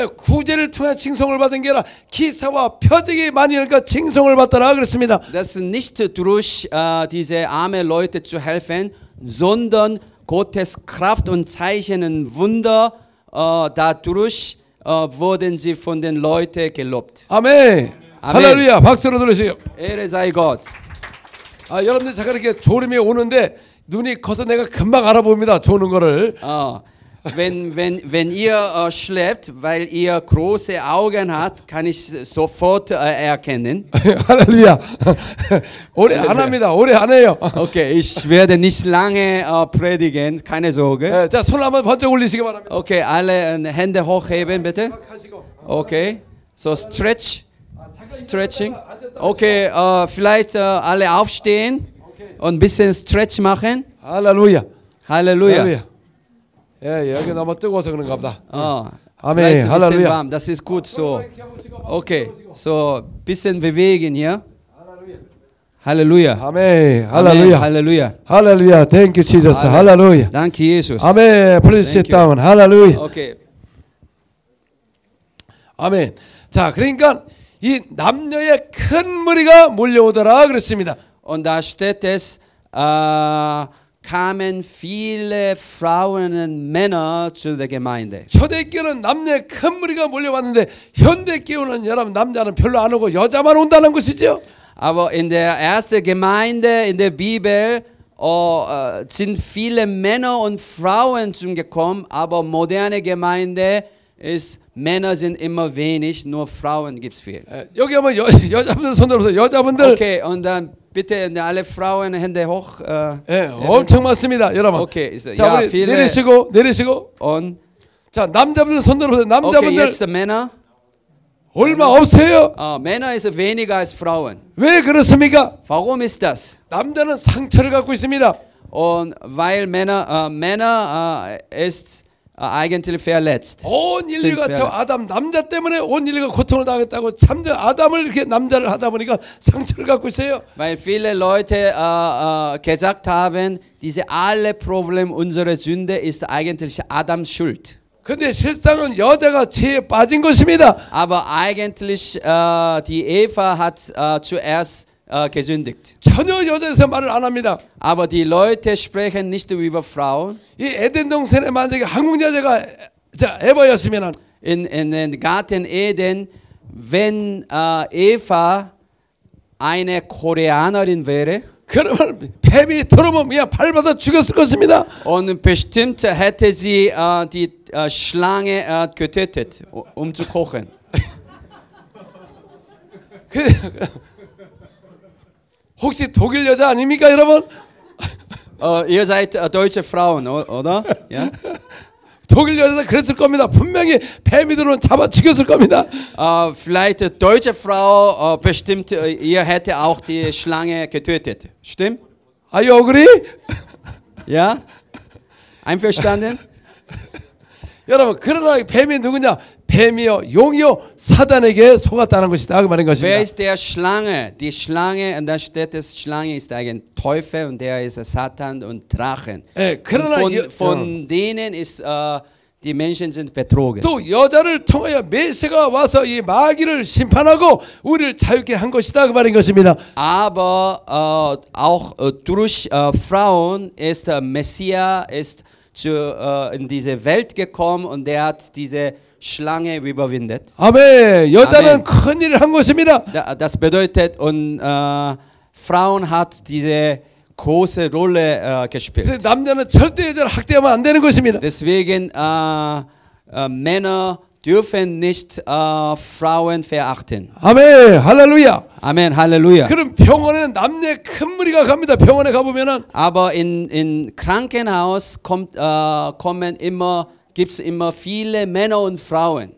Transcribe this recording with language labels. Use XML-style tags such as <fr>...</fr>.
<ko>구제를 통해 칭송을 받은 게 아니라 기사와 표적이 많이 일까 칭송을 받더라 그랬습니다.</ko> <de>Das nicht durch diese arme Leute zu helfen, sondern Gottes Kraft und Zeichen und Wunder. Dadurch wurden sie von den Leuten gelobt.</de> <ko>Amen. Amen. Halleluja. 박수로 들으세요.</ko> <de>Ehre sei Gott.</de> <ko>아 여러분들 잠깐 이렇게 졸음이 오는데 눈이 커서 내가 금방 알아봅니다. 조는 거를.</ko> <de>Wenn ihr schläft, weil ihr große Augen habt, kann ich sofort erkennen.</de> <ko>Halleluja. 오래 안 합니다. 오래 안 해요.</ko> <de>Okay, ich werde nicht lange predigen. Keine Sorge.</de> <ko>자, 손 한번 번쩍 올리시기 바랍니다.</ko> <de>Okay, alle Hände hochheben bitte. Okay,</de> <en>so stretch, stretching.</en> <de>Okay, vielleicht alle aufstehen und ein bisschen stretch machen. Halleluja. Halleluja.</de> <ko>예, 여기 너무 뜨거워서 그런가 보다. 아멘. 할렐루야.</ko> <de>Das ist gut so. Okay. So, bisschen bewegen hier. Halleluja.</de> <ko>아멘. 할렐루야. 할렐루야.</ko> <en>할렐루야. Thank you Jesus. 할렐루야. Thank you Jesus. 아멘. Please sit down. 할렐루야. Okay.</en> <ko>아멘. 자, 그러니까 이 남녀의 큰 무리가 몰려오더라 그랬습니다.</ko> <de>Und da steht es kamen viele Frauen und Männer zu der Gemeinde.</de> <ko>초대교회는 남녀의 큰 무리가 몰려왔는데 현대교회는 여러분 남자는 별로 안 오고 여자만 온다는 것이죠?</ko> <de>Aber in der ersten Gemeinde in der Bibel sind viele Männer und Frauen zum gekommen, aber moderne Gemeinde ist Männer sind immer wenig, nur Frauen gibt's viel.</de> <ko>여기 한번 여자분들 손 들어보세요. 여자분들.</ko> <de>Okay, und dann bitte alle Frauen Hände hoch.</de> <ko>예, 엄청 많습니다, 여러분. Okay, so, 자, 우리</ko> <de>viele...</de> <ko>내리시고, 내리시고.</ko> <de>Und</de> <ko>자, 남자분들 손 들어보세요. 남자분들.</ko> <de>Okay, jetzt the Männer.</de> <ko>얼마 없어요?</ko> <de>Männer ist weniger als Frauen.</de> <ko>왜 그렇습니까?</ko> <de>Warum ist das?</de> <ko>남자는 상처를 갖고 있습니다.</ko> <de>Und weil Männer ist eigentlich verletzt.</de> <ko>온 인류가 저 아담 남자 때문에 온 인류가 고통을 당했다고 참된 아담을 이렇게 남자를 하다 보니까 상처를 갖고 있어요.</ko> <de>Weil viele Leute gesagt haben, diese alle Problem unserer Sünde ist eigentlich Adams Schuld.</de> <ko>근데 실상은 여자가 죄에 빠진 것입니다.</ko> <de>Aber eigentlich die Eva hat zuerst gesündigt.</de> <ko>전혀 여자에서 말을 안 합니다.</ko> <de>Aber die Leute sprechen nicht über Frauen.</de> <ko>이 에덴 동산에 만약에 한국 여자가 자 에바였으면은</ko> <de>in Garten Eden, wenn Eva eine Koreanerin wäre,</de> <ko>그러면 뱀이 들어오면 그냥 밟아서 죽였을 것입니다.</ko> <de>Und bestimmt hätte sie die Schlange getötet, um zu kochen.</de> <ko>혹시 독일 여자 아닙니까 여러분?</ko> <de>ihr seid deutsche Frauen, oder? Ja?</de> <ko>독일 여자 그랬을 겁니다. 분명히 뱀이 들어온 잡아 죽였을 겁니다.</ko> <de>Vielleicht deutsche Frau bestimmt ihr hätte auch die Schlange getötet. Stimmt?</de> <en>Are you agree?</en> <de>Ja? Einverstanden?</de> <ko>여러분, 그러나 뱀이 누구냐? 뱀이요, 용이요, 사단에게 속았다는 것이다. 그 말인 것입니다.</ko> <de>Wer ist der Schlange? Die Schlange und da steht es Schlange ist ein Teufel und der ist Satan und Drachen.</de> <ko>예, 그러나</ko> <de>von denen ist die Menschen sind betrogen.</de> <ko>또 여자를 통하여 메시가 와서 이 마귀를 심판하고 우리를 자유케 한 것이다. 그 말인 것입니다.</ko> <de>Aber auch durch Frauen ist der Messias ist zu in diese Welt gekommen und der hat diese Schlange überwindet.</de> <ko>Amen. 여자는 Amen. 큰 일을 한 것입니다.</ko> <de>Das bedeutet und Frauen hat diese große Rolle gespielt.</de> <ko>남자는 절대 여자를 학대하면 안 되는 것입니다.</ko> <de>Deswegen Männer dürfen nicht Frauen verachten. Amen. Halleluja. Amen. Halleluja.</de> <ko>그럼 병원에는 남녀 큰 무리가 갑니다. 병원에 가 보면은</ko> <de>aber in Krankenhaus kommt kommen immer gibt's immer viele Männer und Frauen.</de>